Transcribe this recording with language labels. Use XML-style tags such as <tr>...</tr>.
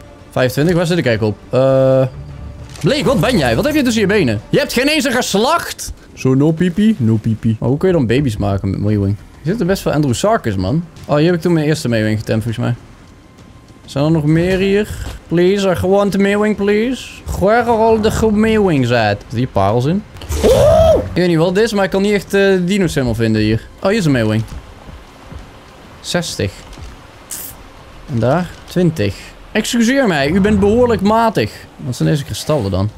<nl>25, waar zit ik eigenlijk op? Bleek, wat ben jij? Wat heb je tussen je benen? Je hebt geen eens een geslacht! Zo,</nl> <en>no pipi, no pipi.</en> <nl>Maar hoe kun je dan baby's maken met Mewing? Je zit er best wel Andrew Sarkis, man. Oh, hier heb ik toen mijn eerste Mewing getemd, volgens mij. Zijn er nog meer hier?</nl> <en>Please, I want a Mewing, please.</en> <nl>Gooi er al de goede Mewing uit. Zit hier parels in? Oh! Ik weet niet wat dit is, maar ik kan niet echt de dino's helemaal vinden hier. Oh, hier is een Mewing. 60. En daar? 20. Excuseer mij, u bent behoorlijk matig. Wat zijn deze kristallen dan?</nl>